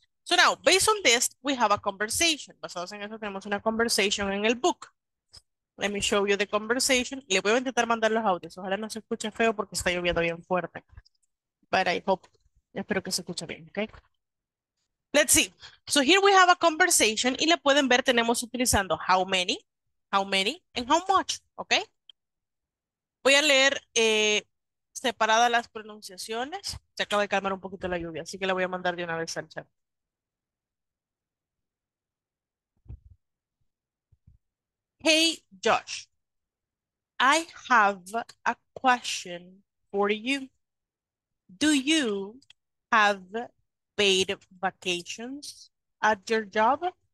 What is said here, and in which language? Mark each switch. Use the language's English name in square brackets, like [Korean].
[English] So now, based on this, we have a conversation. [Spanish] Basados en eso, tenemos una conversation en el book. [English] Let me show you the conversation. [Spanish] Le voy a intentar mandar los audios. Ojalá no se escuche feo porque está lloviendo bien fuerte. [English] But I hope, [Spanish] espero que se escuche bien, [English] okay? Let's see. So here we have a conversation [Spanish] y la pueden ver, tenemos utilizando [English] how many, and how much, okay? [Spanish] Voy a leer separadas las pronunciaciones. Se acaba de calmar un poquito la lluvia, así que la voy a mandar de una vez al chat. [English] Hey, Josh, I have a question for you. Do you have paid vacations at your job?